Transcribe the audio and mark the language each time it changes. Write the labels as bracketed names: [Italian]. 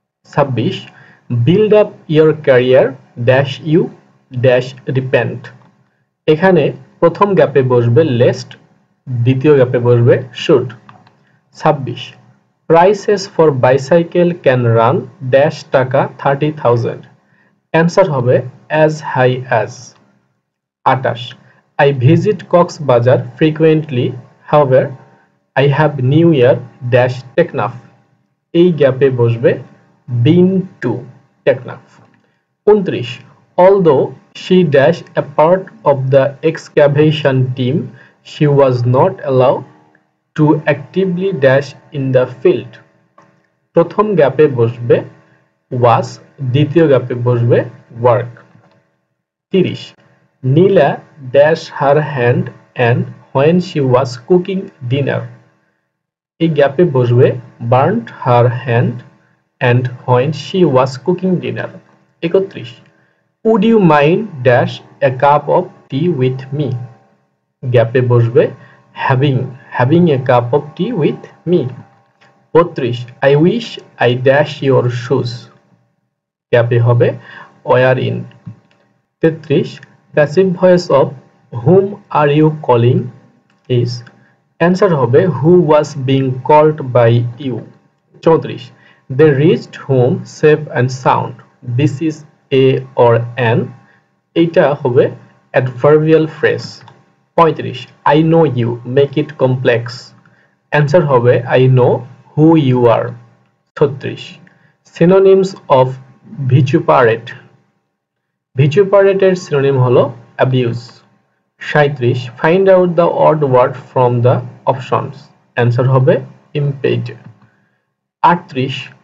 [Bangla] ২৬, [English] build up your career dash you dash repent, [Bangla] এখানে প্রথম গ্যাপে বসবে লেস্ট, দ্বিতীয় গ্যাপে বসবে should. [English] ২৬, prices for bicycle can run dash টাকা ৩০,০০০, [Bangla] অ্যান্সার হবে [English] As high as. ২৮, I visit Cox's Bazar frequently, however I have new year dash technaf. [Bangla] এই গ্যাপে বসবে [English] been to technaf. 29. Although she dash a part of the excavation team, she was not allowed to actively dash in the field. [Bangla] প্রথম গ্যাপে বসবে was, দ্বিতীয় গ্যাপে বসবে work. [English] 30. Nila dash her hand and when she was cooking dinner. [Bangla] এই গ্যাপে বসবে [English] burnt her hand and when she was cooking dinner. 31. Would you mind dash a cup of tea with me? [Bangla] গ্যাপে বসবে [English] having a cup of tea with me. 32. I wish I dash your shoes. [Bangla] গ্যাপে হবে [English] wear in. 33. Passive voice of whom are you calling is. Answer [Bangla] হবে [English] who was being called by you. 34. They reached home safe and sound. This is a or an. [Bangla] এটা হবে adverbial phrase. [English] 35. I know you. Make it complex. Answer [Bangla] হবে [English] I know who you are. 36. Synonyms of vituperate. Vituperate এর synonym হলো abuse. 37. Find out the odd word from the options. Answer [Bangla] হবে [English] impede. 38.